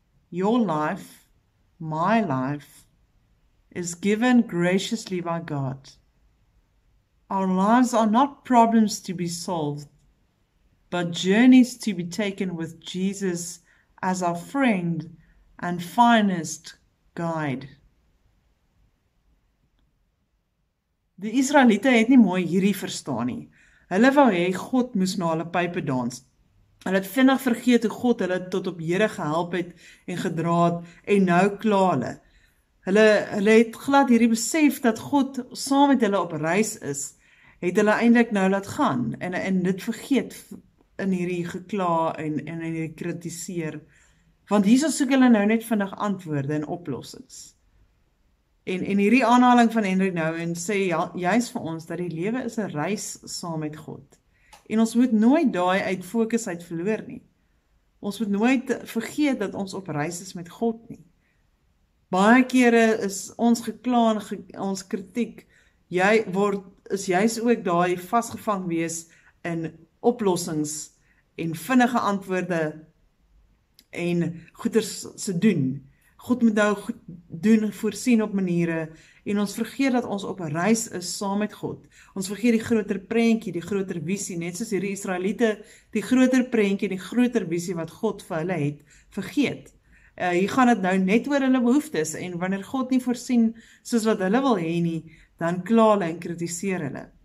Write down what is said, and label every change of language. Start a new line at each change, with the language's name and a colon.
English: Your life, my life, is given graciously by God. Our lives are not problems to be solved, but journeys to be taken with Jesus as our friend and finest guide.
Afrikaans: Die Israeliete het nie mooi hierdie verstaan nie. Hulle wou hê God moes na hulle pype dans. Hulle het vinnig vergeet hoe God hulle tot op Here gehelp het en gedra het en nou kla hulle. Hulle het glad hierdie besef dat God saam met hulle op reis is, het hulle eindelijk nou laat gaan en dit vergeet in hierdie gekla en in hierdie kritiseer. Want hierso soek hulle nou net vinnig antwoorde en oplossings. En hierdie aanhaling van Henry Nouwen sê juist vir ons dat die lewe is 'n reis saam met God. En ons moet nooit daai uit fokus uit verloor nie. Ons moet nooit vergeet dat ons op reis is met God nie. Baie kere is ons gekla en ons kritiek, is juist ook daai vasgevang wees in oplossings en vinnige antwoorde en goeders se doen. God moet nou goed doen, voorsien op maniere, en ons vergeet dat ons op reis is saam met God. Ons vergeet die groter prentjie, die groter visie, net soos hierdie Israeliete, die groter prentjie, die groter visie wat God vir hulle het, vergeet. Hier gaan het nou net oor hulle behoeftes, en wanneer God nie voorsien soos wat hulle wil hê nie, dan kla hulle en kritiseer hulle.